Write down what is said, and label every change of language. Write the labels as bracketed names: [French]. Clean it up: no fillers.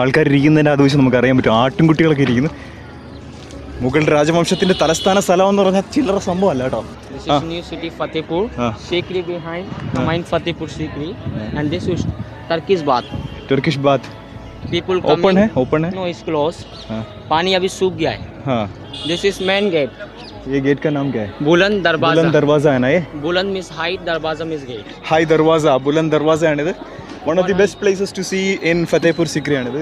[Malayalam] ആൾക്കാർ ഇരിക്കുന്നതിൻ്റെ അത് വെച്ച് നമുക്കറിയാൻ പറ്റും. ആട്ടിൻകുട്ടികളൊക്കെ ഇരിക്കുന്നു. മുഗൾ രാജവംശത്തിന്റെ തലസ്ഥാന സ്ഥലം എന്ന് പറഞ്ഞാൽ ചില്ലറ സംഭവം അല്ല ട്ടോ. [English] This is new city Fatehpur Sikri behind main Fatehpur Sikri and this is Turkish bath. Turkish bath people [Hindi] open high open high [English] No is close. [Hindi] Pani Abhi Souq Gaya high. [English] This is main gate. [Hindi] ये गेट का नाम क्या है? बुलंद दरवाजा। बुलंद दरवाजा है ना ये? बुलंद [English] means high, [Hindi] दरवाजा [English] Means gate. [Hindi] हाई दरवाजा, बुलंद दरवाजा [Malayalam] ആണ് ഇത്. [English] one of the best places to see in Fatehpur Sikri [Malayalam] ആണ് ഇത്.